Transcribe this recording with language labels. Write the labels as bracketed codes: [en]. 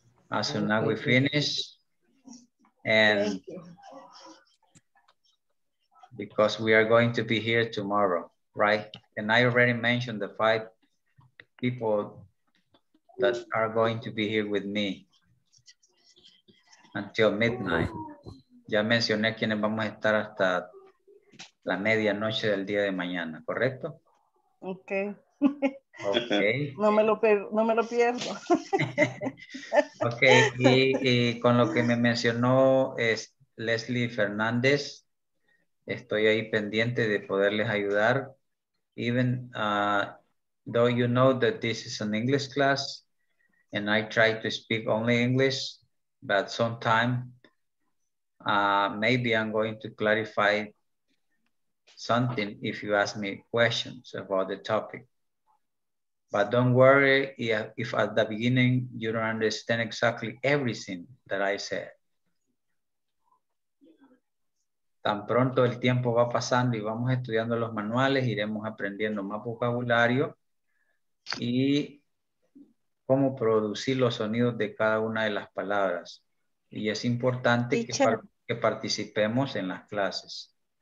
[en] as soon as we finish. And because we are going to be here tomorrow, right? And I already mentioned the five people that are going to be here with me until midnight. [es] Ya mencioné quienes vamos a estar hasta la medianoche del día de mañana, ¿correcto? [en] Okay. Okay. [es] No me lo pierdo. Okay, y con lo que me mencionó es Leslie Fernández, estoy ahí pendiente de poderles ayudar. [en] Even though you know that this is an English class and I try to speak only English, but sometime maybe I'm going to clarify something if you ask me questions about the topic. But don't worry if at the beginning you don't understand exactly everything that I said. [es] Tan pronto el tiempo va pasando y vamos estudiando los manuales, iremos aprendiendo más vocabulario y cómo producir los sonidos de cada una de las palabras. Y es importante que participemos en las clases.